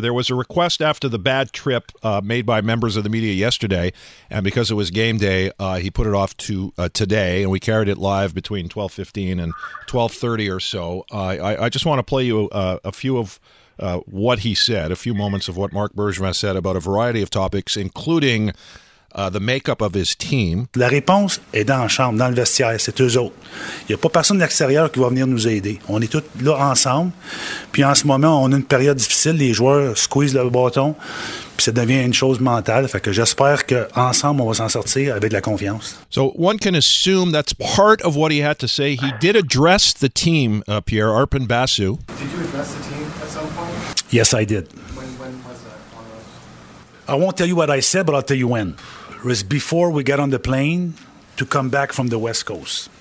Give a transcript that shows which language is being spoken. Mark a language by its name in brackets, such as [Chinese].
[English] There was a request after the bad trip made by members of the media yesterday, and because it was game day, he put it off to today, and we carried it live between 12:15 and 12:30 or so. I just want to play you a few of what he said, a few moments of what Mark Bergevin said about a variety of topics, including the makeup of his team. [French] La réponse est dans la chambre, dans le vestiaire, c'est eux autres. Il n'y a pas personne de l'extérieur qui va venir nous aider. On est tous là ensemble. Puis en ce moment, on a une période difficile. Les joueurs squeezent le bâton. Puis ça devient une chose mentale. Fait que j'espère qu'ensemble, on va s'en sortir avec de la confiance. [English] So one can assume that's part of what he had to say. He did address the team, Pierre, Arpin Basu. Did you address the team at some point? Yes, I did. I won't tell you what I said, but I'll tell you when. It was before we got on the plane to come back from the West Coast.